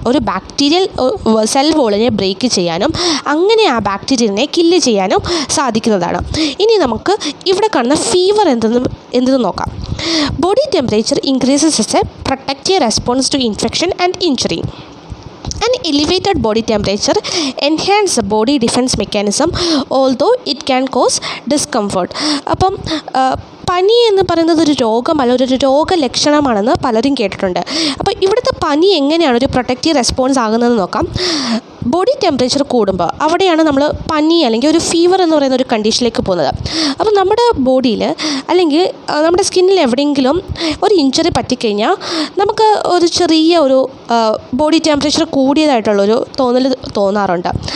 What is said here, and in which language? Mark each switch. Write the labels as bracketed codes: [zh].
[ml] ഒരു bacterial cell വോളിനെ break ചെയ്യാനും അങ്ങനെ ആ ബാക്ടീരിയനെ കില് ചെയ്യാനും സാധിക്കുന്നതാണ്. ഇനി നമുക്ക് ഇവിടെ കാണുന്ന ഫീവർ എന്തെന്ന് നോക്കാം. [en] Body temperature increases as a protective response to infection and injury. An elevated body temperature enhances the body defense mechanism, although it can cause discomfort. [ml] അപ്പം പനി എന്ന് പറയുന്നത് ഒരു രോഗം അല്ല, ഒരു രോഗലക്ഷണമാണെന്ന് പലരും കേട്ടിട്ടുണ്ട്. അപ്പോൾ ഇവിടുത്തെ പനി എങ്ങനെയാണ് ഒരു പ്രൊട്ടക്റ്റീവ് റെസ്പോൺസ് ആകുന്നതെന്ന് നോക്കാം. ബോഡി ടെമ്പറേച്ചർ കൂടുമ്പോൾ അവിടെയാണ് നമ്മൾ പനി അല്ലെങ്കിൽ ഒരു ഫീവർ എന്ന് പറയുന്ന ഒരു കണ്ടീഷനിലേക്ക് പോകുന്നത്. അപ്പോൾ നമ്മുടെ ബോഡിയിൽ അല്ലെങ്കിൽ നമ്മുടെ സ്കിന്നിൽ എവിടെയെങ്കിലും ഒരു ഇഞ്ചറി പറ്റിക്കഴിഞ്ഞാൽ നമുക്ക് ഒരു ചെറിയ ഒരു ബോഡി ടെമ്പറേച്ചർ കൂടിയതായിട്ടുള്ളൊരു തോന്നൽ തോന്നാറുണ്ട്.